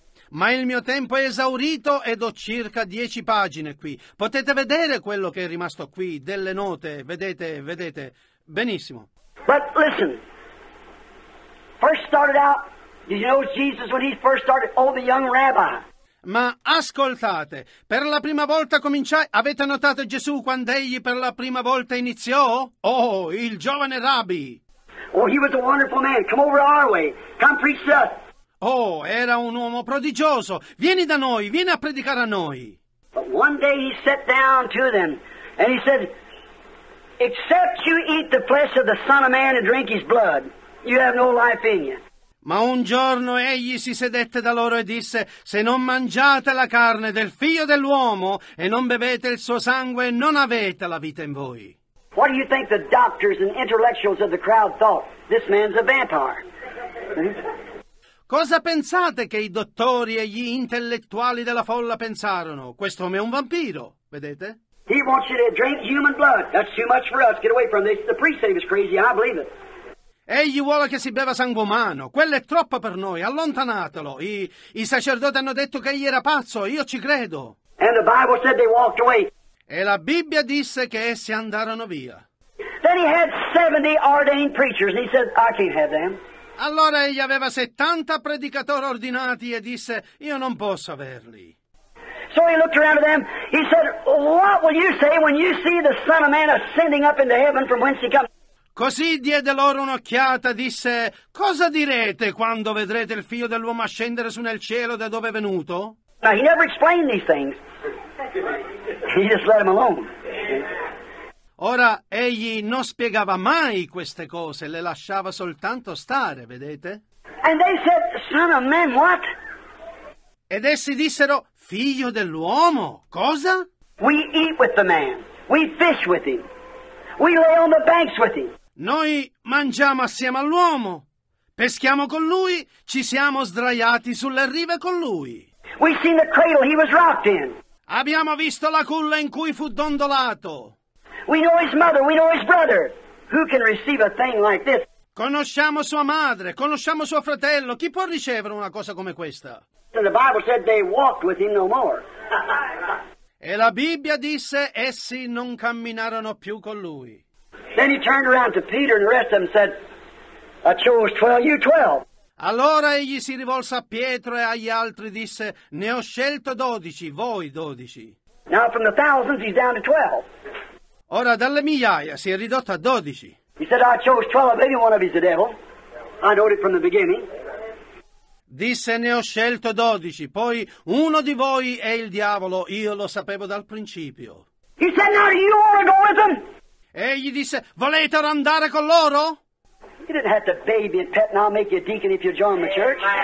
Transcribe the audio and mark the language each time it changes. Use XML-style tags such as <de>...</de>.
<it>Ma il mio tempo è esaurito ed ho circa 10 pagine qui. Potete vedere quello che è rimasto qui, delle note. Vedete, vedete. Benissimo.</it> <en>But listen. First started out, did you know Jesus when he first started? Oh, the young rabbi.</en> <it>Ma ascoltate, per la prima volta cominciai. Avete notato Gesù quando egli per la prima volta iniziò? Oh, il giovane rabbi.</it> <en>Oh, he was a wonderful man. Come over to our way. Come preach to us.</en> <it>Oh, era un uomo prodigioso. Vieni da noi, vieni a predicare a noi.</it> <en>But one day he sat down to them and he said, except you eat the flesh of the Son of Man and drink his blood, you have no life in you.</en> <it>Ma un giorno egli si sedette da loro e disse, se non mangiate la carne del figlio dell'uomo e non bevete il suo sangue, non avete la vita in voi.</it> <en>What do you think the doctors and intellectuals of the crowd thought? This man's a vampire.</en> <it>Cosa pensate che i dottori e gli intellettuali della folla pensarono? Questo uomo è un vampiro, vedete?</it> <en>He wants you to drink human blood. That's too much for us. Get away from this. The priest said he was crazy. I believe it.</en> <it>Egli vuole che si beva sangue umano. Quello è troppo per noi. Allontanatelo. I sacerdoti hanno detto che egli era pazzo. Io ci credo.</it> <en>And the Bible said they walked away.</en> <it>E la Bibbia disse che essi andarono via.</it> <en>Then he had 70 ordained preachers. And he said, I can't have them.</en> <it>Allora egli aveva 70 predicatori ordinati e disse, io non posso averli.</it> <en>So he looked around at them. He said, what will you say when you see the Son of Man ascending up into heaven from whence he comes?</en> <it>Così diede loro un'occhiata, disse, cosa direte quando vedrete il figlio dell'uomo ascendere su nel cielo da dove è venuto?</it> <en>Now, he never explained these things. He just let him alone.</en> <it>Ora, egli non spiegava mai queste cose, le lasciava soltanto stare, vedete?</it> <en>And they said, son of man, what?</en> <it>Ed essi dissero, figlio dell'uomo, cosa?</it> <en>We eat with the man. We fish with him. We lay on the banks with him.</en> <it>Noi mangiamo assieme all'uomo. Peschiamo con lui. Ci siamo sdraiati sulle rive con lui.</it> <en>We seen the cradle he was rocked in.</en> <it>Abbiamo visto la culla in cui fu dondolato.</it> <en>We know his mother. We know his brother. Who can receive a thing like this?</en> <it>Conosciamo sua madre, conosciamo suo fratello. Chi può ricevere una cosa come questa?</it> <en>The Bible said they walked with him no more.</en> <it>E la Bibbia disse essi non camminarono più con lui.</it> <en>Then he turned around to Peter and the rest of them said, I chose 12, you 12.</en> <it>Allora egli si rivolse a Pietro e agli altri disse, ne ho scelto 12, voi 12.</it> <en>Now from the thousands he's down to 12.</en> <it>Ora dalle migliaia si è ridotto a 12.</it> <en>He said, I chose 12, any one of you is the devil. I know it from the beginning.</en> <it>Disse, ne ho scelto 12, poi uno di voi è il diavolo, io lo sapevo dal principio.</it> <en>He said, now do you want to go with them?</en> <it>Egli disse, volete andare con loro?</it> <en>You didn't have to baby and pet and I'll make you a deacon if you join the church.</en>